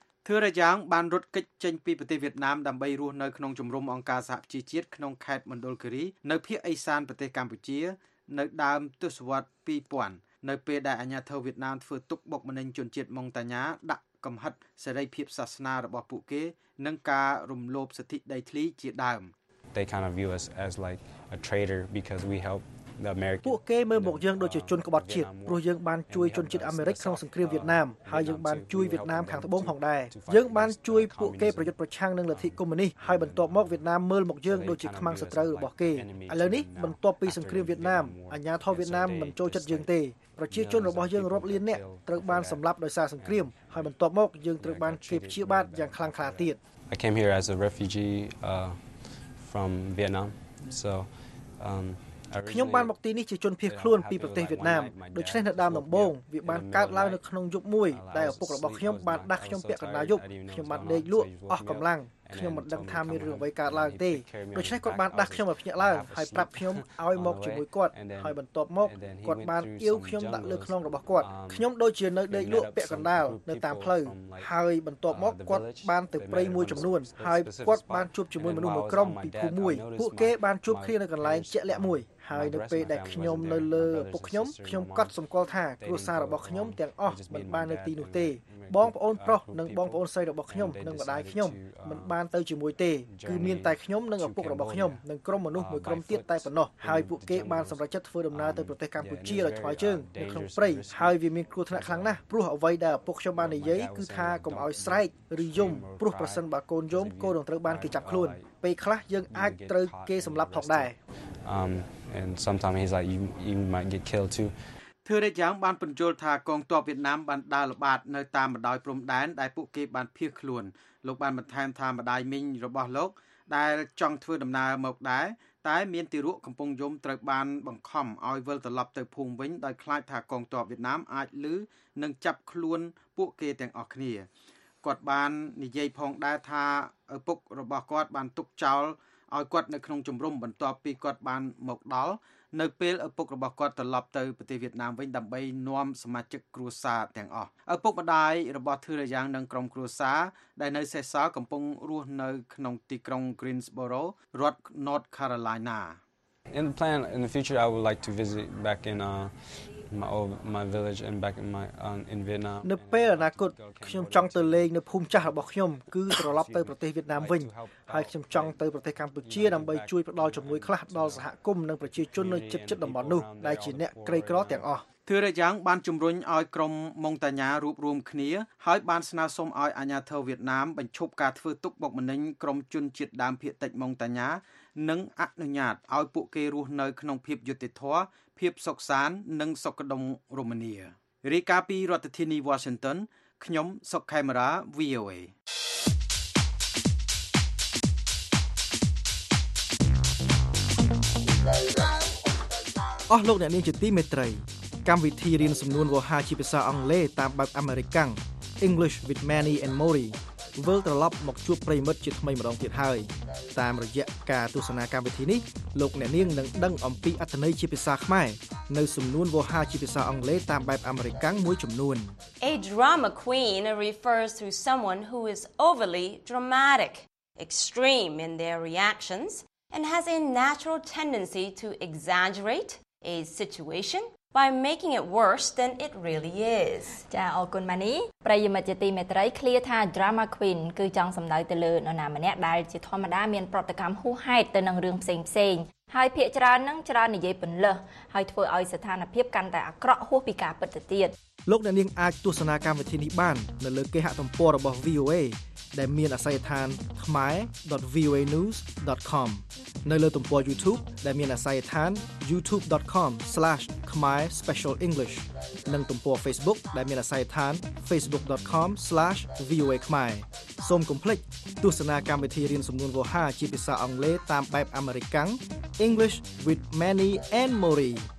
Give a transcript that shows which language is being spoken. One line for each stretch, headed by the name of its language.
Khmer: ធឿរយ៉ាងបានរត់គេចចេញពីប្រទេសវៀតណាមដើម្បីរស់នៅក្នុងជំរំអង្គការសហប្រជាជាតិក្នុងខេត្តមណ្ឌលគិរីនៅភាគអេសានប្រទេសកម្ពុជានៅដើមទសវត្សរ៍2000នៅពេលដែលអាញាធិបតេយ្យវៀតណាមធ្វើទុកបុកម្នេញជនជាតិម៉ុងតាញ៉ាដាក់កំហិតសេរីភាពសាសនារបស់ពួកគេនិងការរំលោភសិទ្ធិដីធ្លីជាដើម
English: They kind of view us as like a traitor because we help the American
Khmer: ពួកគេមើលមកយើងដូចជាជនក្បត់ជាតិព្រោះយើងបានជួយជនជាតិអាមេរិកក្នុងសង្គ្រាមវៀតណាមហើយយើងបានជួយវៀតណាមខាងត្បូងផងដែរយើងបានជួយពួកគេប្រយុទ្ធប្រឆាំងនឹងលទ្ធិកុម្មុយនីសហើយបន្ទាប់មកវៀតណាមមើលមកយើងដូចជាខ្មាំងសត្រូវរបស់គេឥឡូវនេះបន្ទាប់ពីសង្គ្រាមវៀតណាមអាជ្ញាធរវៀតណាមមិនចូលចិត្តយើងទេប្រជាជនរបស់យើងរាប់លាននាក់ត្រូវបានសម្លាប់ដោយសារសង្គ្រាមហើយបន្ទាប់មកយើងត្រូវបានគេព្យាបាទយ៉ាងខ្លាំងក្លាទៀត
English: I came here as a refugee from Vietnam so
Khmer: ខ្ញុំបានមកទីនេះជាជនភៀសខ្លួនពីប្រទេសវៀតណាមដូច្នេះនៅដើមដំបូងវាបានកើតឡើងនៅក្នុងយប់មួយដែលឪពុករបស់ខ្ញុំបានដាស់ខ្ញុំពាក់កណ្ដាលយប់ខ្ញុំបានដេកលក់អស់កម្លាំងខ្ញុំមិនដឹងថាមានរឿងអ្វីកើតឡើងទេដូច្នេះគាត់បានដាស់ខ្ញុំឲ្យភ្ញាក់ឡើងហើយប្រាប់ខ្ញុំឲ្យមកជាមួយគាត់ហើយបន្ទាប់មកគាត់បានអៀវខ្ញុំដាក់លើខ្នងរបស់គាត់ខ្ញុំដូចជានៅដេកលក់ពាក់កណ្ដាលនៅតាមផ្លូវ ហើយបន្ទាប់មកគាត់បានទៅព្រៃមួយចំនួនហើយគាត់បានជួបជាមួយមនុស្សមួយក្រុមពីភូមិមួយពួកគេបានជួបគ្នានៅកន្លែងជាក់លាក់មួយហើយនៅពេលដែលខ្ញុំនៅលើពួកខ្ញុំ ក៏សម្គាល់ថាគ្រួសាររបស់ខ្ញុំទាំងអស់មិនបាននៅទីនោះទេបងប្អូនប្រុសនិងបងប្អូនស្រីរបស់ខ្ញុំនិងម្ដាយខ្ញុំមិនបានទៅជាមួយទេគឺមានតែខ្ញុំនិងឪពុករបស់ខ្ញុំនិងក្រុមមនុស្សមួយក្រុមទៀតតែប៉ុណ្ណោះហើយពួកគេបានសម្រេចចិត្តធ្វើដំណើរទៅប្រទេសកម្ពុជាដោយថ្មើរជើងនៅក្នុងព្រៃហើយវាមានគ្រោះថ្នាក់ខ្លាំងណាស់ព្រោះអ្វីដែលឪពុកខ្ញុំបាននិយាយគឺថាកុំឲ្យស្រែកឬយំព្រោះប្រសិនបើកូនយំកូននឹងត្រូវបានគេចាប់ខ្លួនពេលខ្លះយើងអាចត្រូវគេសម្លាប់ផងដែរ
English: and sometimes he's like you might get killed too
Khmer: ធឿរយ៉ាងបានបញ្ជាក់ថាកងទ័ពវៀតណាមបានដើរល្បាតនៅតាមបណ្ដោយព្រំដែនដែលពួកគេបានភៀសខ្លួនលោកបានបន្ថែមថាម្ដាយមីងរបស់លោកដែលចង់ធ្វើដំណើរមកដែរតែមានទីរក់កំពុងយំត្រូវបានបង្ខំឲ្យវិលត្រឡប់ទៅភូមិវិញដោយខ្លាចថាកងទ័ពវៀតណាមអាចលឺនិងចាប់ខ្លួនពួកគេទាំងអស់គ្នា គាត់បាននិយាយផងដែរថាឪពុករបស់គាត់បានទុកចោលឲ្យគាត់នៅក្នុងជំរំបន្ទាប់ពីគាត់បានមកដល់នៅពេលឪពុករបស់គាត់ត្រឡប់ទៅប្រទេសវៀតណាមវិញដើម្បីនាំសមាជិកគ្រួសារទាំងអស់ឪពុកម្ដាយរបស់ធឿរយ៉ាងនិងក្រុមគ្រួសារដែលនៅសេសសល់កំពុងរស់នៅក្នុងទីក្រុង Greensboro រដ្ឋ North Carolina
English: In the plan in the future I would like to visit back in my village and back in my in Vietnam
Khmer: នៅពេលអនាគតខ្ញុំចង់ទៅលេងនៅភូមិចាស់របស់ខ្ញុំគឺត្រឡប់ទៅប្រទេសវៀតណាមវិញហើយខ្ញុំចង់ទៅប្រទេសកម្ពុជាដើម្បីជួយផ្តល់ជំនួយខ្លះដល់សហគមន៍និងប្រជាជននៅជិតតំបន់នោះដែលជាអ្នកក្រីក្រទាំងអស់ ធឿរយ៉ាងបានជំរុញឲ្យក្រុមម៉ុងតាញ៉ារួបរួមគ្នាហើយបានស្នើសុំឲ្យអាជ្ញាធរវៀតណាមបញ្ឈប់ការធ្វើទុកបុកម្នេញក្រុមជនជាតិដើមភាគតិចម៉ុងតាញ៉ានិងអនុញ្ញាតឲ្យពួកគេរស់នៅក្នុងភាពយុត្តិធម៌ភាពសុខសាន្តនិងសុខដុមរមនារីកាពីរដ្ឋធានី Washington ខ្ញុំសុកខេមរា VOA អស់លោកអ្នកនាងជាទីមេត្រីកម្មវិធីរៀនសំនួនវោហារជាភាសាអង់គ្លេសតាមបែបអាមេរិកាំង English with Manny and Mori វិលត្រឡប់មកជួបប្រិមិត្តជាថ្មីម្ដងទៀតហើយតាមរយៈការទស្សនាកម្មវិធីនេះលោកអ្នកនាងនឹងដឹងអំពីអត្ថន័យជាភាសាខ្មែរនៅសំនួនវោហារជាភាសាអង់គ្លេសតាមបែបអាមេរិកាំងមួយចំនួន
English: A drama queen refers to someone who is overly dramatic, extreme in their reactions and has a natural tendency to exaggerate a situation by making it worse than it really is.
Khmer: ចាអរគុណម៉ានីប្រិយមិត្តជាទីមេត្រី clear ថា drama queen គឺចង់សម្ដៅទៅលើនរណាម្នាក់ដែលជាធម្មតាមានប្រតិកម្មហួសហេតុទៅនឹងរឿងផ្សេងផ្សេងហើយភាគច្រើននឹងច្រើននិយាយពន្លើសហើយធ្វើឲ្យស្ថានភាពកាន់តែអាក្រក់ហួសពីការពិតទៅទៀត លោកអ្នកនាងអាចទស្សនាកម្មវិធីនេះបាននៅលើគេហទំព័ររបស់ VOA ដែលមានអាសយដ្ឋាន khmae.voanews.com នៅលើទំព័រ YouTube ដែលមានអាសយដ្ឋាន youtube.com/khmaespecialenglish និងទំព័រ Facebook ដែលមានអាសយដ្ឋាន facebook.com/voakhmae សូមកុំភ្លេចទស្សនាកម្មវិធីរៀនសំនួនវោហារជាភាសាអង់គ្លេសតាមបែបអាមេរិកាំង English with Manny and Mori